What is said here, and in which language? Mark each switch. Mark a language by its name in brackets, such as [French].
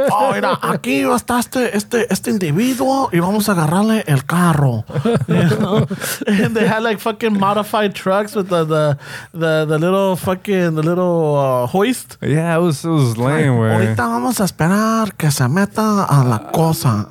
[Spanish] Oh, mira, aquí está este individuo y vamos a agarrarle el carro. [English] You know? And they had like fucking modified trucks with the little fucking hoist. Yeah, it was lame. Like, where [Spanish] ahorita vamos a esperar que se meta a la cosa.